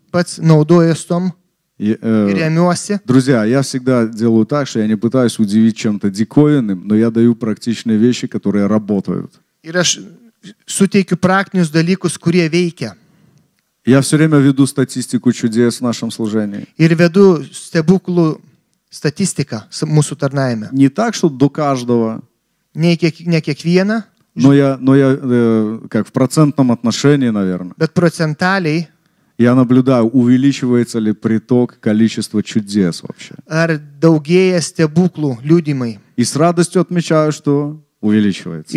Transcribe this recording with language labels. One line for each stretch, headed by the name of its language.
Lithuanian: Pats naudojuosi tuom. И ремёсся.
Russian: Друзья, я всегда делаю так, что я не пытаюсь удивить чем-то диковинным, но я даю практичные вещи, которые работают.
Lithuanian: Suteikiu praktinius dalykus, kurie veikia.
Russian: Я все время веду статистику чудес в нашем служении.
Lithuanian: Ir vedu stebuklų statistiką mūsų tarnavime.
Russian: Не так, чтобы до каждого.
Lithuanian: Не kiekvieną.
Russian: Но я, как в процентном отношении, наверное.
Lithuanian: Bet procentaliai.
Russian: Я наблюдаю, увеличивается ли приток, количество чудес вообще.
Lithuanian: Ar daugėja stebuklų liudimai.
Russian: И с радостью отмечаю, что увеличивается.